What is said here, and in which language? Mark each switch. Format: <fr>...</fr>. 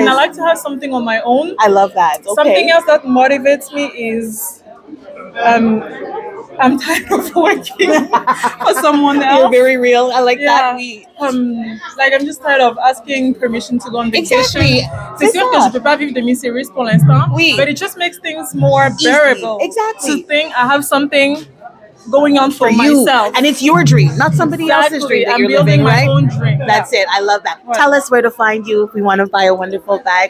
<en>And I like to have something on my own. I love that. Okay. Something else that motivates me is I'm tired of working for someone else. You're very real. I like that.</en> <fr>Oui.</fr> <en>I'm just tired of asking permission to go on vacation. Exactly.</en> <fr>C'est sûr que je ne peux pas vivre de mes séries pour l'instant. Oui.</fr> <en>But it just makes things more bearable. Exactly. To think I have something going on for you. Myself. And it's your dream, not somebody else's dream that I'm you're building, my right? own dream. That's it. I love that. Right. Tell us where to find you if we want to buy a wonderful bag.</en>